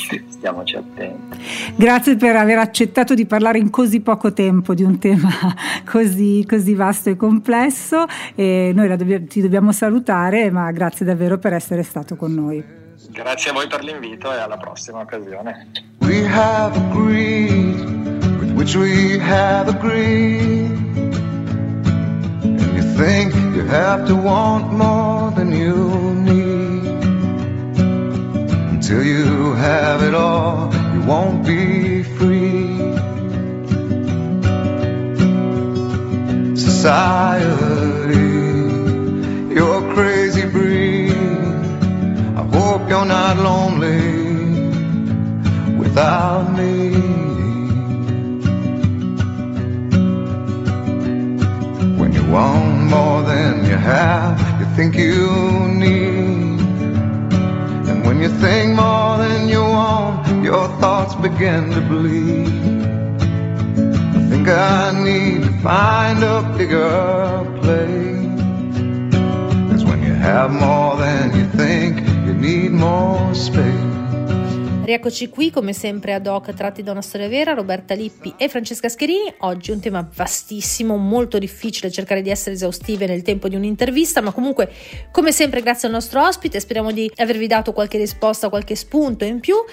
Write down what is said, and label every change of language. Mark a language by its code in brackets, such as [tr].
[it] Stiamoci attenti. Grazie per aver accettato di parlare in così poco tempo di un tema così, così vasto e complesso. E noi ti dobbiamo salutare, ma grazie davvero per essere stato con noi. Grazie a voi per l'invito e alla prossima occasione. [en] We have agreed, with which we have agreed. Think you have to want more than you need. Until you have it all, you won't be free. Society, you're a crazy breed. I hope you're not lonely without me. Want more than you have, you think you need. And when you think more than you want, your thoughts begin to bleed. I think I need to find a bigger place. 'Cause when you have more than you think, you need more space. [it] Rieccoci qui, come sempre, ad hoc tratti da una storia vera, Roberta Lippi e Francesca Scherini. Oggi un tema vastissimo, molto difficile cercare di essere esaustive nel tempo di un'intervista, ma comunque, come sempre, grazie al nostro ospite, speriamo di avervi dato qualche risposta, qualche spunto in più.